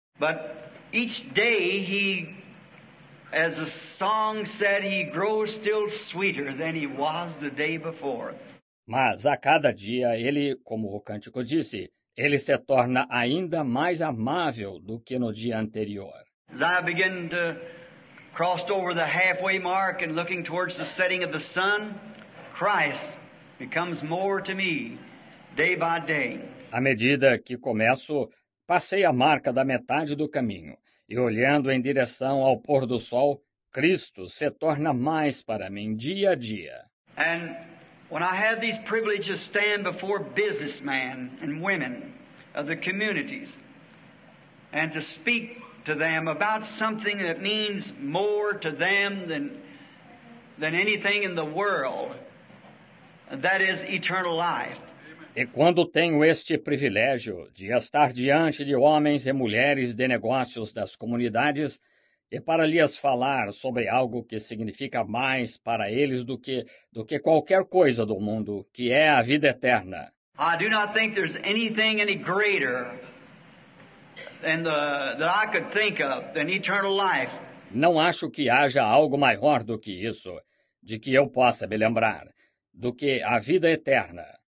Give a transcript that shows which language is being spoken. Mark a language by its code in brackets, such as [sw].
[en] But each day he, as a song said, he grows still sweeter than he was the day before. [pt] Mas a cada dia ele, como o cântico disse, ele se torna ainda mais amável do que no dia anterior. [en] As I begin to crossed over the halfway mark and looking towards the setting of the sun, Christ becomes more to me day by day. [pt] À medida que começo, passei a marca da metade do caminho e olhando em direção ao pôr do sol, Cristo se torna mais para mim dia a dia. [en] And when I have these privileges to stand before businessmen and women of the communities and to speak to them about something that means more to them than anything in the world, that is eternal life. [pt] E quando tenho este privilégio de estar diante de homens e mulheres de negócios das comunidades e para lhes falar sobre algo que significa mais para eles do que qualquer coisa do mundo, que é a vida eterna. [en] I do not think there's anything any greater that I could think of than eternal life. [pt] Não acho que haja algo maior do que isso, de que eu possa me lembrar, do que a vida eterna.